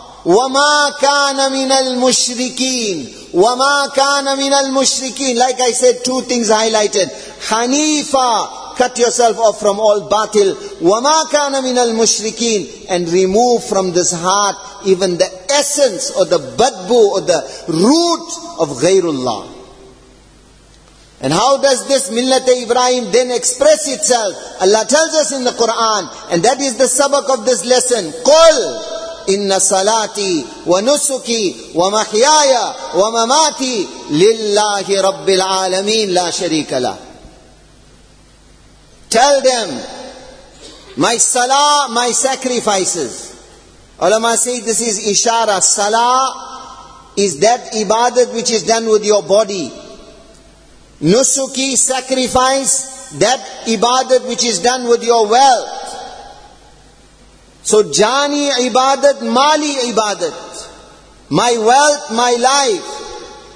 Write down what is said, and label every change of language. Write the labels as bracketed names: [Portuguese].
[Arabic] وَمَا كَانَ مِنَ الْمُشْرِكِينَ وَمَا كَانَ مِنَ الْمُشْرِكِينَ [English] Like I said, two things highlighted. Hanifa, cut yourself off from all batil. [Arabic] وَمَا كَانَ مِنَ الْمُشْرِكِينَ [English] And remove from this heart even the essence or the badbu or the root of ghairullah. And how does this millat Ibrahim then express itself? Allah tells us in the Quran, and that is the sabak of this lesson. [Arabic] قُلْ إِنَّ صَلَاتِي وَنُسُكِي وَمَحْيَايَ وَمَمَاتِي لِلَّهِ رَبِّ الْعَالَمِينَ لَا شَرِيكَ لَهُ [English] Tell them, my salah, my sacrifices. Ulama say this is ishara. Salah is that ibadat which is done with your body. Nusuki, sacrifice, that ibadat which is done with your wealth. So, jani ibadat, mali ibadat. My wealth, my life.